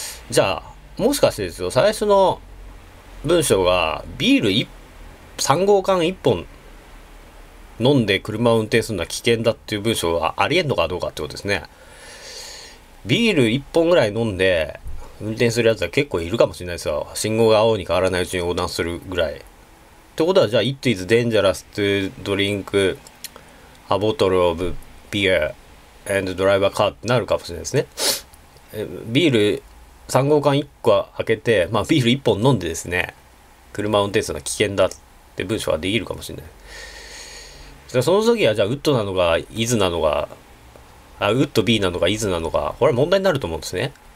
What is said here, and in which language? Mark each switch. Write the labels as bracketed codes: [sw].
[ja] じゃあ、もしかしてですよ、最初の文章がビール3号缶1本飲んで車を運転するのは危険だっていう文章はありえんのかどうかってことですね。ビール1本ぐらい飲んで運転するやつは結構いるかもしれないですよ。信号が青に変わらないうちに横断するぐらい。ってことは、じゃあ、 [en] It is dangerous to drink a bottle of beer and drive a car [ja] ってなるかもしれないですね。ビール3号缶1個開けて、まあ、ビール1本飲んでですね、車運転するのは危険だって文章ができるかもしれない。その時は、じゃあ、ウッドなのか、イズなのか、あ、ウッド B なのか、イズなのか、これは問題になると思うんですね。